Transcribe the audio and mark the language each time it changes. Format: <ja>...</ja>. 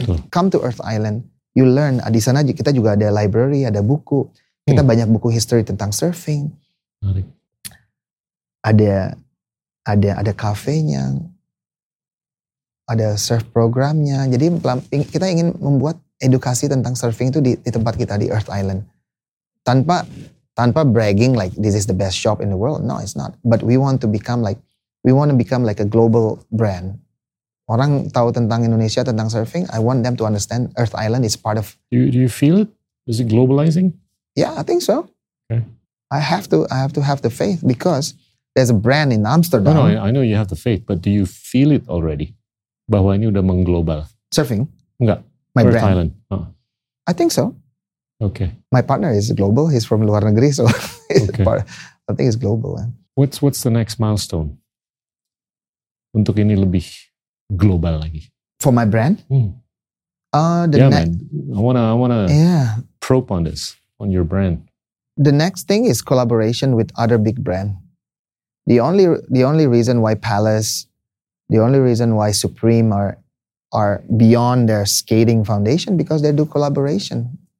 <en>Come to Earth Island, you learn.</en> <id>Di sana kita juga ada library, ada buku. Kita banyak buku history tentang surfing. Menarik. Ada kafenya, ada surf programnya. Jadi kita ingin membuat edukasi tentang surfing itu di tempat kita di Earth Island tanpa</id> <en>bragging like this is the best shop in the world. No, it's not. But we want to become like a global brand.</en> <id>Orang tahu tentang Indonesia, tentang surfing,</id> <en>I want them to understand Earth Island is part of. Do you feel it? Is it globalizing? Yeah, I think so. Okay. I have to have the faith because there's a brand in Amsterdam. No, I know you have the faith, but do you feel it already?</en> <id>Bahwa ini udah mengglobal.</id> <en>Surfing?</en> <id>Enggak.</id> <en>My Earth brand. Island. Oh. I think so. Okay. My partner is global. He's from</en> <id>luar negeri,</id> <en>so okay. I think it's global. Man. What's the next milestone?</en> <id>Untuk ini lebih global lagi.</id> <en>For my brand? I wanna probe on this, on your brand. The next thing is collaboration with other big brand. The only reason why Palace, the only reason why Supreme are beyond their skating foundation because they do collaboration.</en>